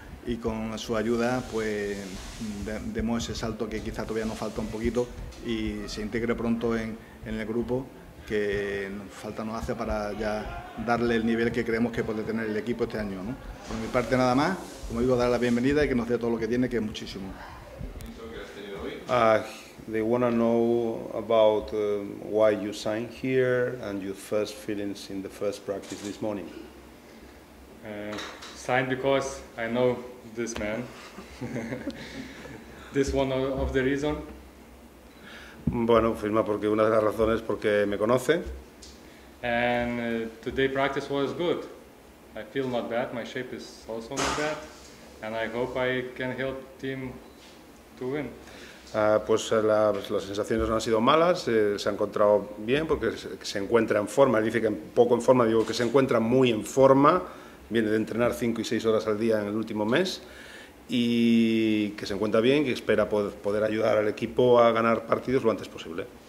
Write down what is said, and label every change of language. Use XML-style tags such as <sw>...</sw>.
<es>Y con su ayuda, pues, demos ese salto que quizá todavía nos falta un poquito y se integre pronto en el grupo, que falta nos hace para ya darle el nivel que creemos que puede tener el equipo este año, ¿no? Por mi parte, nada más, como digo, dar la bienvenida y que nos dé todo lo que tiene, que es muchísimo.</es> <en>They want to know about why you signed here and your first feelings in the first practice this morning. Signed because I know this man. This one of the reason.</en> <es>Bueno, firma porque una de las razones porque me conoce.</es> <en>And today practice was good. I feel not bad. My shape is also not bad. And I hope I can help team to win.</en> <es>Pues las sensaciones no han sido malas. Se ha encontrado bien porque se encuentra en forma. Él dice que poco en forma. Digo que se encuentra muy en forma. Viene de entrenar 5 y 6 horas al día en el último mes y que se encuentra bien, que espera poder ayudar al equipo a ganar partidos lo antes posible.</es>